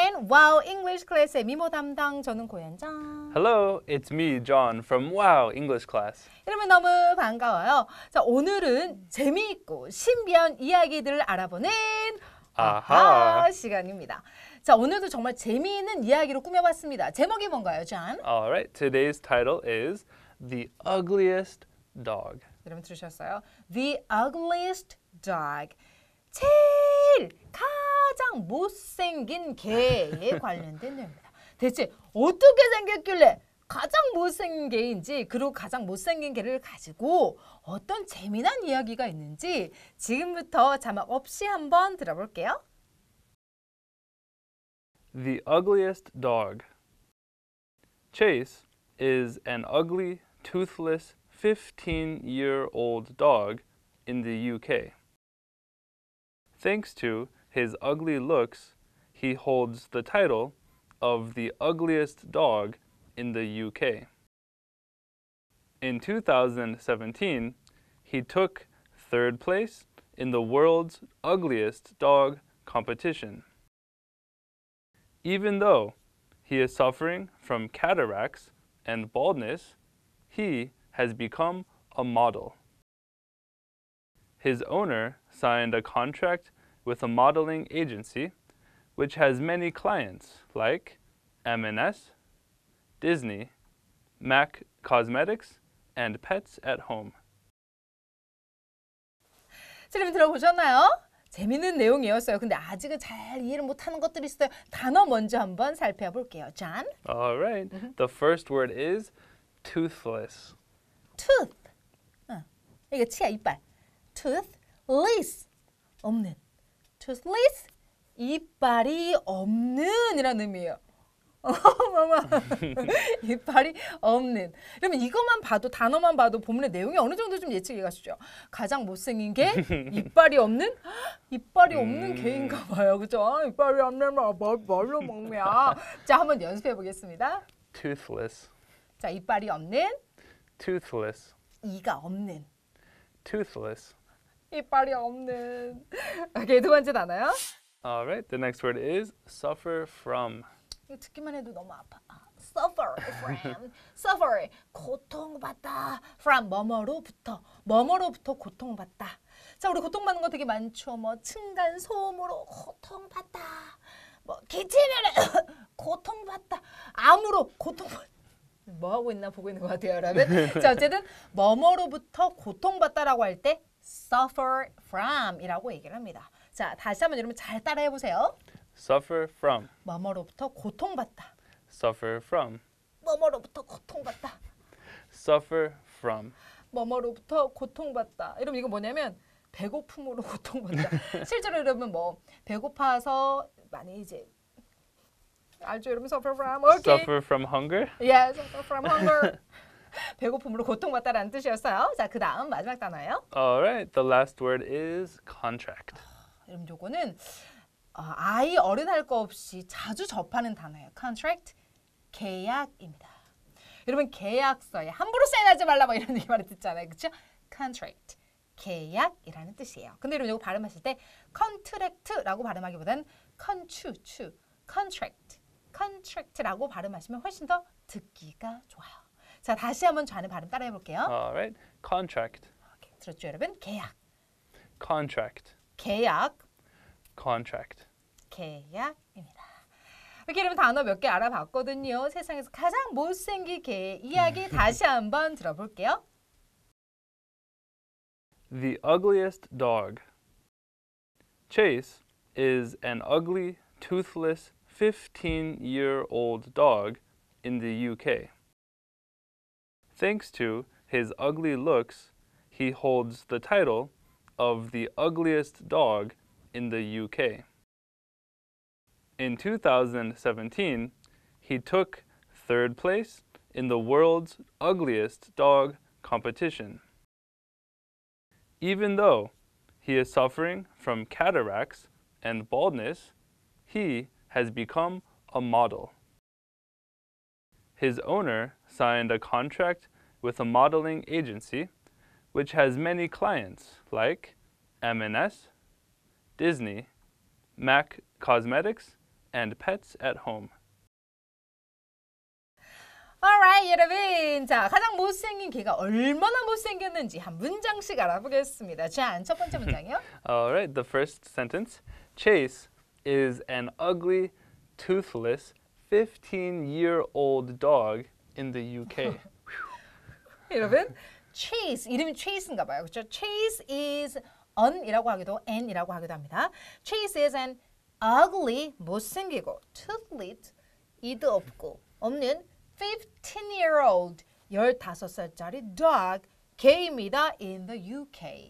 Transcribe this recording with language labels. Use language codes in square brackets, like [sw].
[ko] 와우 English Class의 미모 담당 저는 고현정. [en] Hello, it's me, John from Wow English Class. [ko] 여러분 너무 반가워요. 자, 오늘은 재미있고 신비한 이야기들을 알아보는 아하 시간입니다. 자, 오늘도 정말 재미있는 이야기로 꾸며봤습니다. 제목이 뭔가요, John? [en] All right, today's title is The Ugliest Dog. [ko] 여러분 들으셨어요? The Ugliest Dog. 제일 가장 못생긴 개에 관련된 내용입니다. 대체 어떻게 생겼길래 가장 못생긴 개인지 그리고 가장 못생긴 개를 가지고 어떤 재미난 이야기가 있는지 지금부터 자막 없이 한번 들어볼게요. [en] The Ugliest Dog. Chase is an ugly, toothless 15-year-old dog in the UK. Thanks to his ugly looks, he holds the title of the ugliest dog in the UK. In 2017, he took third place in the world's ugliest dog competition. Even though he is suffering from cataracts and baldness, he has become a model. His owner signed a contract with a modeling agency, which has many clients like M&S, Disney, MAC Cosmetics, and Pets at Home. [ko] 여러분 들어보셨나요? 재밌는 내용이었어요. 근데 아직은 잘 이해를 못하는 것들이 있어요. 단어 먼저 한번 살펴볼게요. John? [en] All right. The first word is toothless. [ko] Tooth. 이거 치아, 이빨. Toothless. 없는. Toothless. 이빨이 없는 이라는 의미예요. 어머머. 이빨이 없는. 그러면 이것만 봐도, 단어만 봐도 본문의 내용이 어느 정도 좀 예측이 가시죠? 가장 못생긴 게 이빨이 없는? 이빨이 없는 개인가 봐요. 그죠? 이빨이 없는 뭘로 먹냐? 자, 한번 연습해 보겠습니다. [en] Toothless. [ko] 자, 이빨이 없는? [en] Toothless. [ko] 이가 없는? [en] Toothless. [ko] 이빨이 없는. 오케이, 두 번째 단어요. [en] All right, the next word is suffer from. [ko] 이거 듣기만 해도 너무 아파. [en] Suffer from. Suffer. 고통받다. [ko] From 뭐뭐로부터. 뭐뭐로부터 고통받다. 자, 우리 고통받는 거 되게 많죠. 뭐 층간소음으로 고통받다. 뭐 기침을 고통받다. 암으로 고통받다. 뭐 하고 있나 보고 있는 것 같아요, 여러분. 자, 어쨌든 뭐뭐로부터 고통받다라고 할 때 suffer from 이라고 얘기를 합니다. 자, 다시 한번 여러분 잘 따라해 보세요. [en] suffer from [ko] 뭐뭐로부터 고통받다. [en] suffer from [ko] 뭐뭐로부터 고통받다. [en] suffer from [ko] 뭐뭐로부터 고통받다. 여러분 이거 뭐냐면 배고픔으로 고통받다. 실제로 여러분 뭐 배고파서 많이 이제 알죠 여러분? [en] suffer from. Okay. suffer from hunger? yeah, suffer from hunger. [ko] 배고픔으로 고통받다라는 뜻이었어요. 자, 그 다음 마지막 단어예요. [en] Alright, the last word is contract. [ko] 여러분, 요거는 아이 어른 할 거 없이 자주 접하는 단어예요. contract, 계약입니다. 여러분, 계약서에 함부로 사인하지 말라 뭐 이런 얘기 많이 듣잖아요. 그쵸? contract, 계약이라는 뜻이에요. 근데 여러분, 요거 발음하실 때 contract라고 발음하기보다는 contract, contract, contract라고 발음하시면 훨씬 더 듣기가 좋아요. 자, 다시 한번 전의 발음 따라해 볼게요. [en] Alright. Contract. [ko] 오케이, 들었죠, 여러분? 계약. [en] Contract. [ko] 계약. [en] Contract. [ko] 계약입니다. 이렇게 여러분 단어 몇 개 알아봤거든요. 세상에서 가장 못생긴 개의 이야기 다시 한번 들어볼게요. [en] The ugliest dog. Chase is an ugly, toothless 15-year-old dog in the UK. Thanks to his ugly looks, he holds the title of the ugliest dog in the UK. In 2017, he took third place in the world's ugliest dog competition. Even though he is suffering from cataracts and baldness, he has become a model. His owner signed a contract with a modeling agency, which has many clients like M&S, Disney, MAC Cosmetics, and pets at home. [ko] Alright, 여러분. 자, 가장 못생긴 개가 얼마나 못생겼는지 한 문장씩 알아보겠습니다. 자, 첫 번째 문장이요. [en] Alright, the first sentence. Chase is an ugly, toothless, 15-year-old dog in the UK. [ko] 여러분, Chase, 이름이 Chase인가 봐요. 그렇죠? Chase is an 이라고 하기도, an 이라고 하기도 합니다. [en] Chase is an ugly, 못생기고, toothless, [ko] 이도 없고, [en] 없는 15-year-old, 15살짜리 dog, [ko] 개입니다 [en] in the UK.